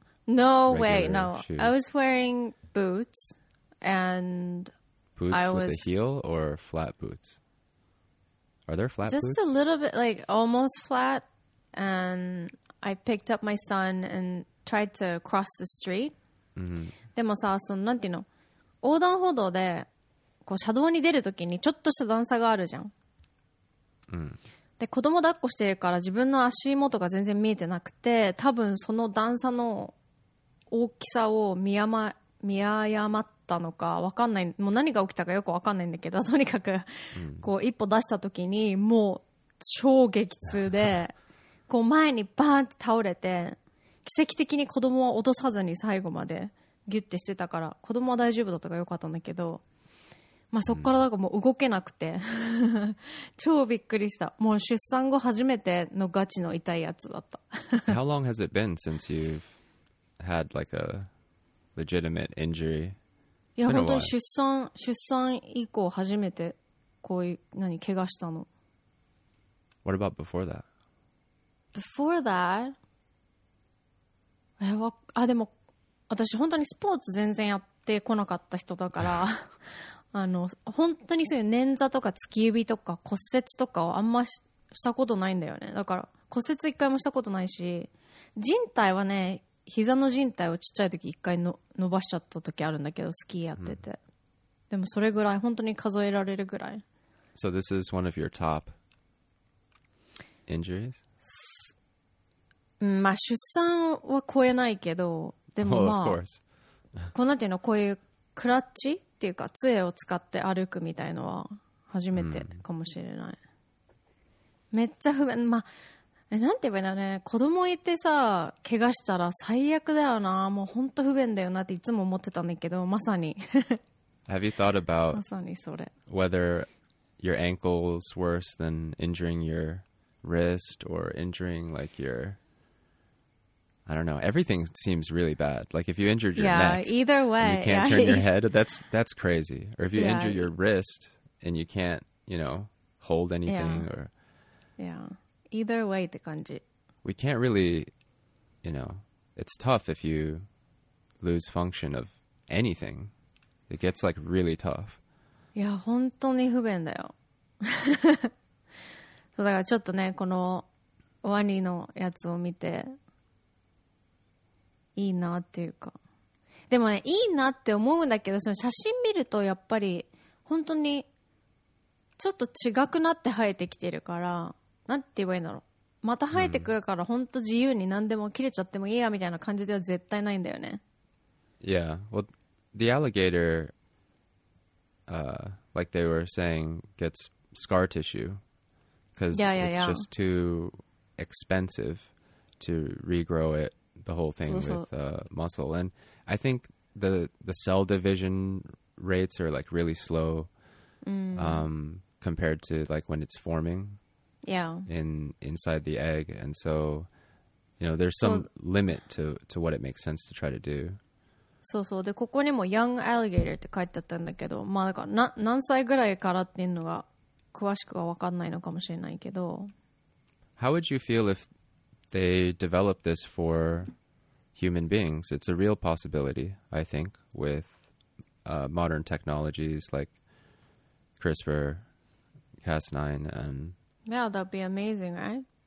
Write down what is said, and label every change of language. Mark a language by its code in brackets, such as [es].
[en] No way, no. Shoes. I was wearing boots and boots I was... with a heel or flat boots? Are there flat just boots? Just a little bit, like almost flat. And I picked up my son and tried to cross the street. [ja] でもさ、そのなんていうの、横断歩道でこう車道に出るときにちょっとした段差があるじゃん。で、子供抱っこしてるから自分の足元が全然見えてなくて、多分その段差の大きさを見誤ったのか分かんない、もう何が起きたかよく分かんないんだけど、とにかくこう一歩出した時にもう超激痛でこう前にバーンって倒れて、奇跡的に子供は落とさずに最後までギュッてしてたから子供は大丈夫だったからよかったんだけど、まあそっからなんかもう動けなくて超びっくりした。もう出産後初めてのガチの痛いやつだった。 [en] How long has it been since youhad like a legitimate injury. [ja] いや本当に出産以降初めてこういう何怪我したの。 [en] What about before that? Before that? [ja] あ、でも私本当にスポーツ全然やってこなかった人だからあの本当にそういう捻挫とか突き指とか骨折とかをあんまししたことないんだよね。だから骨折一回もしたことないし、靭帯はね、膝の靭帯をちっちゃい時一回の伸ばしちゃった時あるんだけど、スキーやってて、でもそれぐらい本当に数えられるぐらい。 [en] So this is one of your top injuries? [ja] まあ出産は超えないけど、でもまあ、 [en] oh, of course. [ja] こんなっていうのこういうクラッチっていうか杖を使って歩くみたいのは初めてかもしれない。めっちゃ不便、まあ、なんて言えばいいんだね、子供いてさ怪我したら最悪だよな、もう本当不便だよなっていつも思ってたんだけど、まさに [en] Have you thought about [ja] まさにそれ [en] whether your ankle's worse than injuring your wrist or injuring like your I don't know, everything seems really bad. Like if you injured your yeah, neck either way, and you can't yeah. turn your head, that's crazy. Or if you yeah. injure your wrist and you can't, you know, hold anything yeah. or Yeah, either way [ja] って感じ。 [en] We can't really, you know, it's tough if you lose function of anything. It gets like really tough. [ja] いや、本当に不便だよ。そうだからちょっとね、このワニのやつを見ていいなっていうか。でもね、いいなって思うんだけど、その写真見るとやっぱり本当にちょっと違くなって生えてきてるから、なんて言えばいいんだろう、また生えてくるから本当自由に何でも切れちゃってもいいやみたいな感じでは絶対ないんだよね。 [en] Yeah, well, the alligator like they were saying gets scar tissue because yeah, yeah, it's yeah. just too expensive to regrow it, the whole thing so, with muscle. And I think the cell division rates are like really slow compared to like when it's forming Yeah. Inside the egg. And so, you know, there's some limit to what it makes sense to try to do. [ja] そうそう。で、ここにも [en] young alligator [ja] って書いてあったんだけど、まあだから何歳ぐらいからっていうのが詳しくは分かんないのかもしれないけど。 [en] How would you feel if they developed this for human beings? It's a real possibility, I think, with modern technologies like CRISPR, Cas9 and... Yeah, that'd be amazing, right?